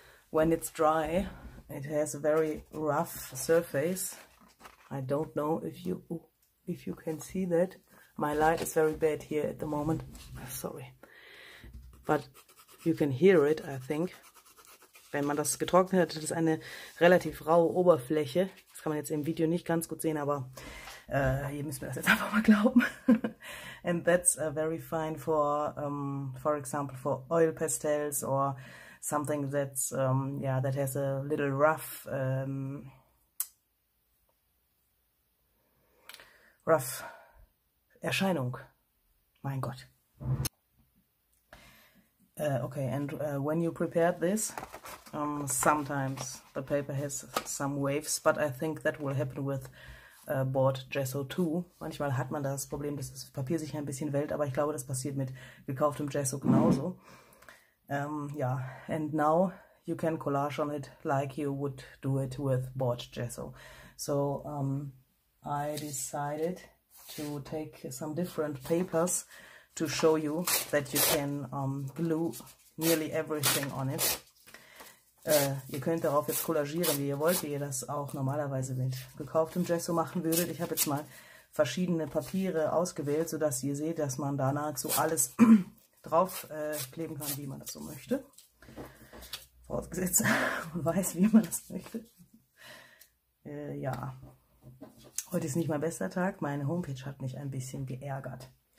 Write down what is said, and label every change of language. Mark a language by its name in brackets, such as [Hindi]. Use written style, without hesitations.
[English] When it's dry, it has a very rough surface. I don't know if you can see that. My light is very bad here at the moment. Sorry. But you can hear it, I think. [German] Wenn man das getrocknet hat, das ist eine relativ raue Oberfläche. Das kann man jetzt im Video nicht ganz gut sehen, aber ihr müsst mir das jetzt einfach mal glauben. [English] And that's very fine for example, for oil pastels or something that's yeah, that has a little rough rough [German] Erscheinung. Mein Gott. [English] Okay, and when you prepared this, sometimes the paper has some waves, but I think that will happen with bought Gesso too. [German] Manchmal hat man das Problem, dass das Papier sich ein bisschen wälzt, aber ich glaube, das passiert mit gekauftem Gesso genauso. [English] Ja, and now you can collage on it like you would do it with bought Gesso. So I decided to take some different papers to show you that you can glue nearly everything on it. [German] Ihr könnt darauf jetzt kollagieren, wie ihr wollt, wie ihr das auch normalerweise mit gekauftem Gesso machen würdet. Ich habe jetzt mal verschiedene Papiere ausgewählt, sodass ihr seht, dass man da nahezu alles drauf kleben kann, wie man das so möchte. Vorausgesetzt, man weiß, wie man das möchte. Ja, heute ist nicht mein bester Tag. Meine Homepage hat mich ein bisschen geärgert.